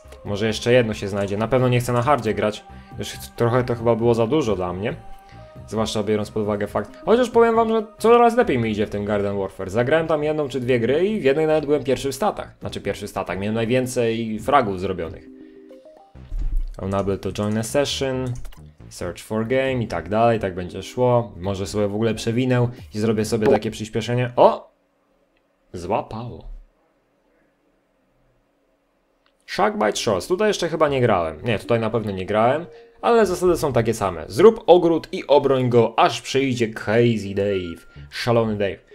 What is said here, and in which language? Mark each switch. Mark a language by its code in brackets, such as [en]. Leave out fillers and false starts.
[pl] Może jeszcze jedno się znajdzie, na pewno nie chcę na hardzie grać, już trochę to chyba było za dużo dla mnie. Zwłaszcza biorąc pod uwagę fakt, chociaż powiem wam, że coraz lepiej mi idzie w tym Garden Warfare. Zagrałem tam jedną czy dwie gry i w jednej nawet byłem pierwszy w statach. Znaczy pierwszy w statach, miałem najwięcej fragów zrobionych. [en] Unable to join a session. Search for game [pl] i tak dalej, tak będzie szło. Może sobie w ogóle przewinę i zrobię sobie takie przyspieszenie. O! Złapało. Sharkbite Shores. Tutaj jeszcze chyba nie grałem. Nie, tutaj na pewno nie grałem. Ale zasady są takie same. Zrób ogród i obroń go, aż przyjdzie Crazy Dave. Szalony Dave.